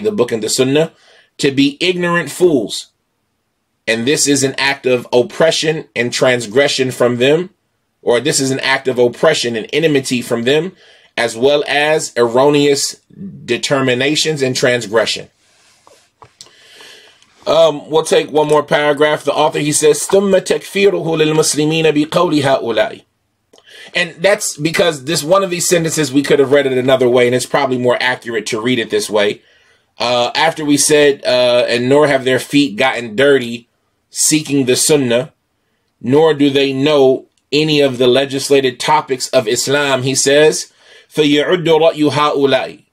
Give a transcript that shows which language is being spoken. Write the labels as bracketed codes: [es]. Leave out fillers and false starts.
[en] the book and the sunnah, to be ignorant fools. And this is an act of oppression and transgression from them, or this is an act of oppression and enmity from them, as well as erroneous determinations and transgression. We'll take one more paragraph. The author, he says, [ar] ثُمَّ تَكْفِيرُهُ لِلْمُسْلِمِينَ بِقَوْلِ هَؤُلَاءِ. [en] And that's because this one of these sentences, we could have read it another way, and it's probably more accurate to read it this way. After we said, and nor have their feet gotten dirty seeking the sunnah, nor do they know any of the legislated topics of Islam, he says, [ar] فَيَعُدُّ رَأْيُ هَؤُلَاءِ.